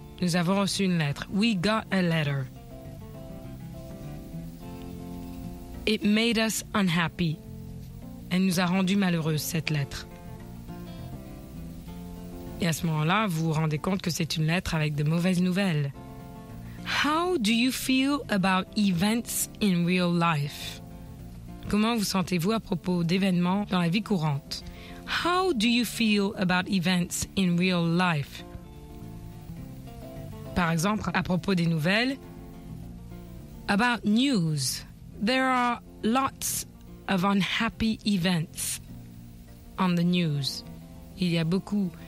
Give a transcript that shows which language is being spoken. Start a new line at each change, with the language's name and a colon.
French: Nous avons reçu une lettre.
English: We got a letter. It made us unhappy.
French: Elle nous a rendu malheureuse, cette lettre. Et à ce moment-là, vous vous rendez compte que c'est une lettre avec de mauvaises nouvelles.
English: How do you feel about events in real life?
French: Comment vous sentez-vous à propos d'événements dans la vie courante?
English: How do you feel about events in real life?
French: Par exemple, à propos des nouvelles,
English: about news, there are lots of unhappy events on the news.
French: Il y a beaucoup